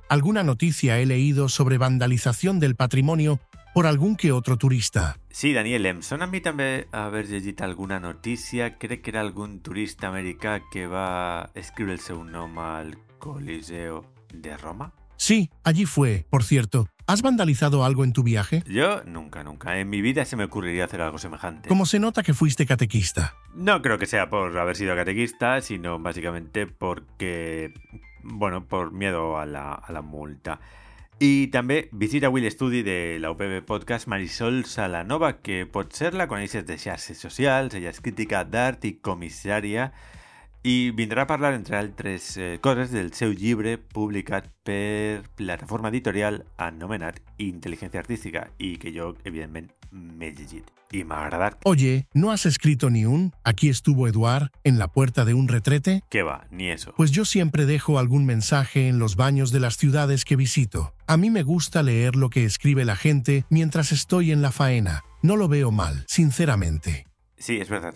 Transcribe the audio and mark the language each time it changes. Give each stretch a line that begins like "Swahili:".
Catalan: Alguna notícia
Spanish: he leído
Catalan: sobre vandalització del patrimoni per algun que altre turista. Sí, Daniel, em sona a mi també haver llegit alguna notícia. Crec que era algun turista americà que va escriure el seu nom al Coliseo de Roma.
Spanish: Sí, allí fue, por cierto. ¿Has vandalizado algo en tu viaje? Yo nunca, nunca. En mi vida se me ocurriría hacer algo semejante. ¿Cómo se nota que fuiste catequista? No creo que sea por haber sido catequista, sino básicamente porque, bueno, por miedo a la multa. Y también visita Will Study de la UPB Podcast Marisol Salanova, que puede ser la conoces
Catalan: de xarxes socials,
Spanish: ella es crítica d'art y comisaria.
Catalan: I vindrà a parlar, entre altres coses, del seu llibre publicat per plataforma editorial anomenat Intel·ligència Artística i que jo, evidentment, m'he llegit i m'ha agradat.
Spanish: Oye, ¿no has escrito ni un? Aquí estuvo Eduard, en la puerta de un retrete. ¿Qué va? Ni eso. Pues yo siempre dejo algún mensaje en los baños de las ciudades que visito. A mí me gusta leer lo que escribe la gente mientras estoy en la faena. No lo veo mal, sinceramente. Sí, es verdad.